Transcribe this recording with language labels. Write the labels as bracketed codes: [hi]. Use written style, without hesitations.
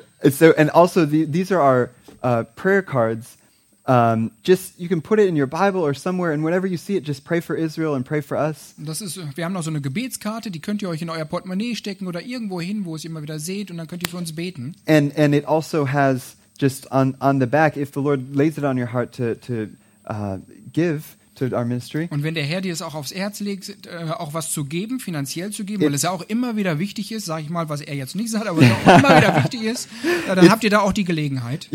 [en] So and also these are our prayer cards. Just you can put it in your Bible or somewhere, and whenever you see it, just pray for Israel and pray for us. [de] Das ist, wir haben noch so eine Gebetskarte, die könnt ihr euch in euer Portemonnaie stecken oder irgendwo hin, wo ihr es immer wieder seht, und dann könnt ihr für uns beten. [en] And it also has just on the back, if the Lord lays it on your heart to give to our ministry. [de] Und wenn der Herr dir es auch aufs Herz legt, auch was zu geben, finanziell zu geben, weil es ja auch immer wieder wichtig ist, sage ich mal, was er jetzt nicht sagt, aber es auch immer wieder wichtig ist, dann habt ihr da auch die Gelegenheit.